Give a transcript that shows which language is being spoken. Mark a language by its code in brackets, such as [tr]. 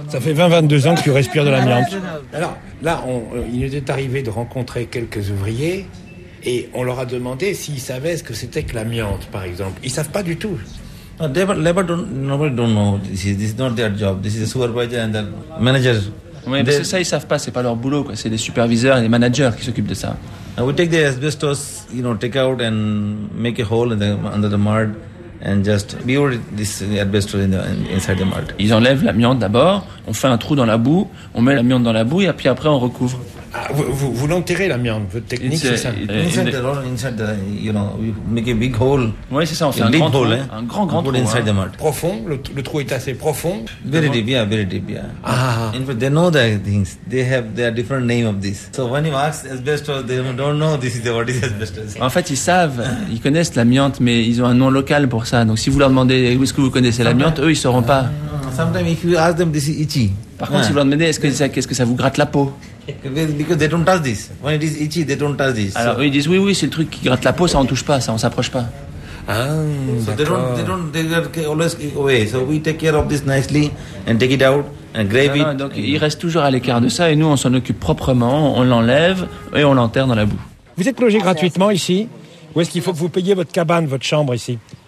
[fr] Ça fait 20-22 ans que tu respires de l'amiante. Alors là, il nous est arrivé de rencontrer quelques ouvriers. Et on leur a demandé s'ils savaient ce que c'était que l'amiante, par exemple. Ils ne savent pas du tout. [en] Nobody don't know. This is not their job. This is the supervisor and the manager. [fr] Oui, parce que ça, ils ne savent pas. Ce n'est pas leur boulot. Quoi. C'est les superviseurs et les managers qui s'occupent de ça. [en] We take the asbestos, you know, take out and make a hole in the, under the mud and just bury this asbestos in the, inside the mud. [fr] Ils enlèvent l'amiante d'abord, on fait un trou dans la boue, on met l'amiante dans la boue et puis après on recouvre. Vous l'enterrez l'amiante, votre technique, [en] inside the, you know, we make a big hole. [fr] Oui, c'est ça, on fait un grand hole. Hein. Un grand [en] trou. Inside the mud. [fr] Profond, le trou est assez profond. [en] Very deep. Ah. But they know the things. They have different name of this. So when you ask asbestos, they don't know this is what is asbestos. [fr] En fait, ils savent, ils connaissent l'amiante, mais ils ont un nom local pour ça. Donc si vous leur demandez où est-ce que vous connaissez l'amiante, eux, ils ne sauront pas. [en] Sometimes if you ask them, this is itchy. [fr] Par contre, si vous leur demandez, qu'est-ce que ça vous gratte la peau? [en] Because they don't touch this. When it is itchy, they don't touch this. [fr] Alors, ils disent, oui, c'est le truc qui gratte la peau, ça, on touche pas, ça, on s'approche pas. Ah, [en] so they always so we take care of this nicely and take it out and grave it. [fr] Donc, ils restent toujours à l'écart de ça et nous, on s'en occupe proprement, on l'enlève et on l'enterre dans la boue. Vous êtes logé gratuitement ici? Ou est-ce qu'il faut que vous payiez votre cabane, votre chambre ici?